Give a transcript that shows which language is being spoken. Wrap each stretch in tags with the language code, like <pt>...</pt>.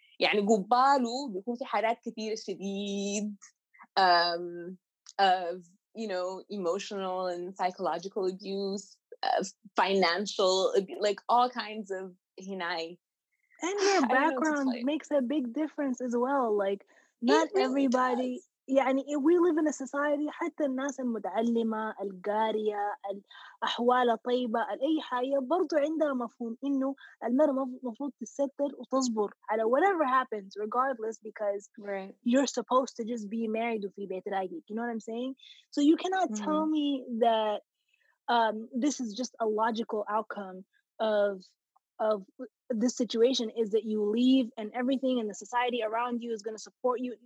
<ar>يعني قباله بيكون في حالات كثيرة شديد</ar> <en>of, you know, emotional and psychological abuse, financial, like all kinds of hinai. And your background makes a big difference as well. Like, not really everybody,</en> <ar>يعني</ar> <en>if we live in a society,</en> <ar>حتى الناس المتعلمة القارية الأحوال الطيبة أي حاجة برضو عندها مفهوم إنه المرأة مفروض تستر وتصبر على</ar> <en>whatever happens regardless because right. you're supposed to just be married</en> <ar>وفي بيت رايق,</ar> <en>you know what I'm saying? So you cannot mm-hmm. tell me that this is just a logical outcome of this situation is that you leave and everything in the society around you is going to support you.</en>